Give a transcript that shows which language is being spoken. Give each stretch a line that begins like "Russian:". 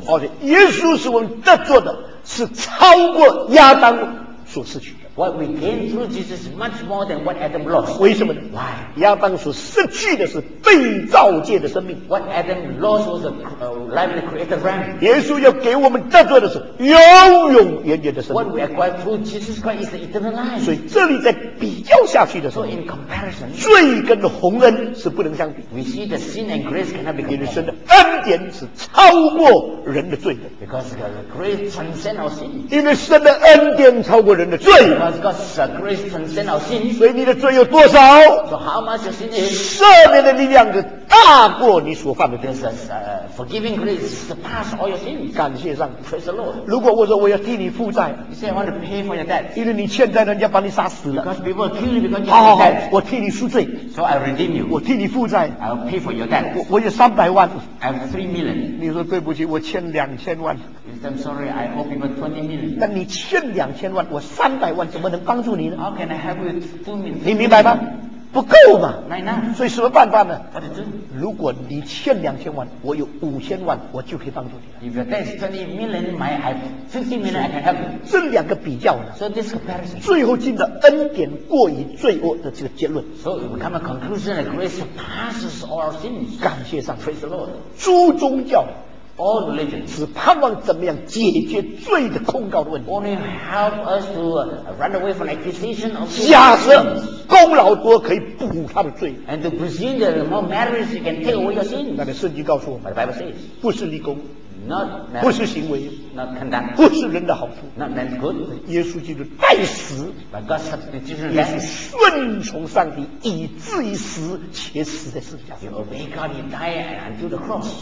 Chinese: 而且耶稣使我们得做的是超过亚当所失去的
English: What we gain through Jesus is much more than what Adam lost
Chinese: 为什么呢
English: Why
Chinese: 亚当所失去的是被造界的生命
English: What Adam lost was a life in the created realm
Chinese: 耶稣要给我们得做的是永永远远的生命
English: What we acquire through Jesus Christ is the eternal life
Chinese: 所以这里在比较下去的时候
English: So in comparison
Chinese: 罪跟红恩是不能相比
English: We see the sin and grace cannot be compared
Chinese: 因为神的恩典是超过人的罪的
English: Because the grace transcends our sin
Chinese: 因为神的恩典超过人的罪
English: Because God's grace transcends our sin
Chinese: 所以你的罪有多少
English: So how much your sin is
Chinese: 赦免的力量量子大过你所犯的罪。
English: This is forgiving grace surpass all your sins.
Chinese: 感谢上帝。
English: Praise the Lord.
Chinese: 如果我说我要替你负债
English: ，You say I want to pay for your debt.
Chinese: 因为你欠债，人家把你杀死了。
English: Because people kill you because you have debt.
Chinese: 我替你赎罪。
English: So I redeem you.
Chinese: 我替你负债。
English: I'll pay for your debt.
Chinese: 我有300万。
English: I have 3 million.
Chinese: 你说对不起，我欠2000万。
English: I'm sorry, I owe people 20 million.
Chinese: 但你欠2000万，我300万怎么能帮助你呢
English: ？How can I help you 2 million?
Chinese: 你明白吗？不够嘛
English: Not enough.
Chinese: 所以什么办法呢
English: What to do?
Chinese: 如果你欠2000万我有5000万我就可以帮助你了
English: If your debt is 20 million I have 15 million I can help you
Chinese: 这两个比较呢
English: So this comparison
Chinese: 最后进的恩典过于罪恶的这个结论
English: So we come to a conclusion that grace surpasses all our sins
Chinese: 感谢上帝
English: Praise the Lord
Chinese: 诸宗教
English: All religions
Chinese: 只盼望怎么样解决罪的控告的问题
English: Only help us to run away from accusation of sin
Chinese: 假设功劳多可以补他的罪
English: and to present the more merits you can take away your sins
Chinese: 但是圣经告诉我们
English: but the Bible says
Chinese: 不是立功
English: not
Chinese: 不是行为
English: not conduct
Chinese: 不是人的好处
English: not man's good
Chinese: 耶稣基督代死
English: but God substituted
Chinese: 耶稣顺从上帝以至于死且死在十字架上
English: you obey God you die and until the cross